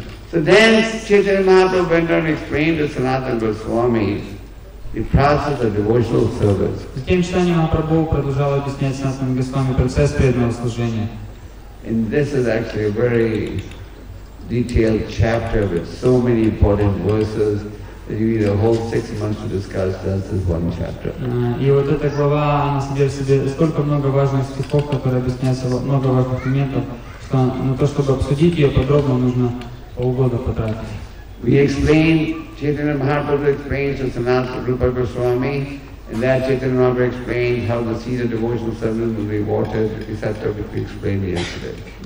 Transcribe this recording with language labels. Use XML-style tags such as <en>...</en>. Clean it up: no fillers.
<en>So then Chaitanya Mahaprabhu went on explained to Sanatana Goswami in process of devotional service.</en> <ru>С тем чтением Махапрабху продолжал объяснять Санатана Госвами процесс преданного служения.</ru> <en>And this is actually a very detailed chapter with so many important verses that you need a whole 6 months to discuss just this one chapter.</en> <ru>И вот эта глава, она содержит в себе столько много важных стихов, которые объясняются, много важных моментов, что на то, чтобы обсудить ее подробно, нужно полгода потратить.</ru> <en>We explain, Chaitanya Mahaprabhu explains to Sanatana Rupa Goswami, and that Chaitanya Mahaprabhu explains how the seed of devotional service will be watered, etc., which we explained yesterday.</en>